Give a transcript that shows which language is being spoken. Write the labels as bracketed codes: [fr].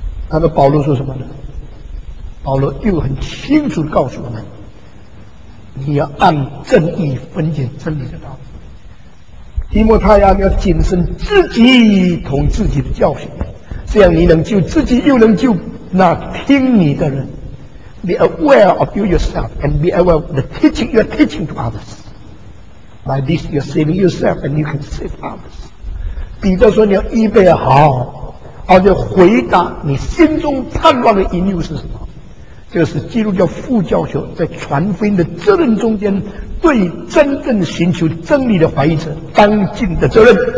[zh] 那么保罗说什么呢？保罗又很清楚地告诉我们，你要按正义分解真理的道。提摩太呀，你要谨慎自己同自己的教训，这样你能救自己又能救那听你的人。 [en] Be aware of you yourself and be aware of the teaching you are teaching to others. By this, you are saving yourself and you can save others. [zh] 彼得说，你要预备好，而且回答你心中盼望的引诱是什么。这是基督教副教学在传福音的责任中间对真正寻求真理的怀疑者当尽的责任。